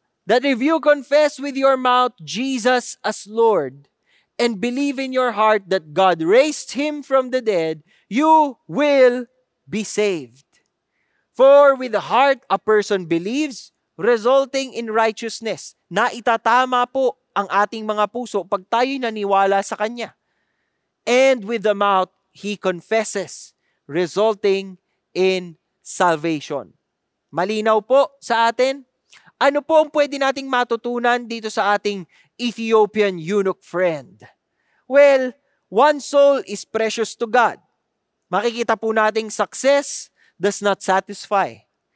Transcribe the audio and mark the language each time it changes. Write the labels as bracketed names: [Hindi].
[English] That if you confess with your mouth Jesus as Lord and believe in your heart that God raised Him from the dead, you will be saved. For with the heart a person believes, resulting in righteousness. [Filipino] Na itatama po ang ating mga puso pag tayo'y naniwala sa Kanya. [English] And with the mouth, he confesses, resulting in salvation. [Filipino] Malinaw po sa atin? Ano po ang pwede nating matutunan dito sa ating Ethiopian eunuch friend? [English] Well, one soul is precious to God. [Filipino] Makikita po nating [English] success does not satisfy.